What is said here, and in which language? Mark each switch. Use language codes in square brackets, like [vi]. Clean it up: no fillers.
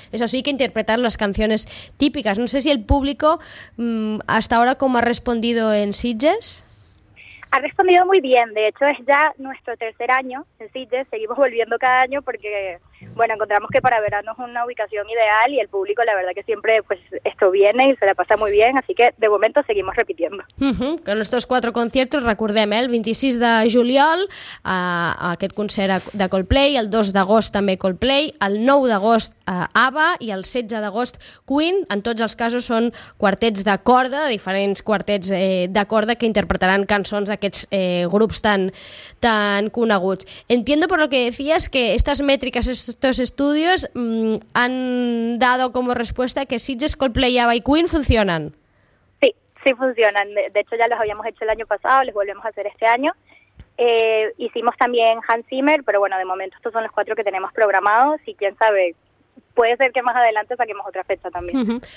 [es] Eso sí, que interpretar las canciones típicas. No sé si el público, hasta ahora, ¿cómo ha respondido en Sitges? Ha respondido muy bien, de hecho es ya nuestro tercer año en Sitges, seguimos volviendo cada año porque, bueno, encontramos que para verano es una ubicación ideal y el público, la verdad que siempre, pues, esto viene y se la pasa muy bien, así que de momento seguimos repitiendo. Con estos cuatro conciertos, [ca] recordem, el 26 de juliol, aquest concert de Coldplay, el 2 d'agost també Coldplay, el 9 d'agost ABBA i el 16 d'agost Queen, en tots els casos són quartets de corda, diferents quartets de corda que interpretaran cançons d'aquests grups tan coneguts. [es] Entiendo por lo que decías que estas métricas, estos estudios han dado como respuesta que Sitges, Coldplay, ABBA y Queen funcionan. Sí, sí funcionan. De hecho, ya los habíamos hecho el año pasado, los volvemos a hacer este año. Hicimos también Hans Zimmer, pero bueno, de momento estos son los cuatro que tenemos programados y quién sabe, puede ser que más adelante saquemos otra fecha también.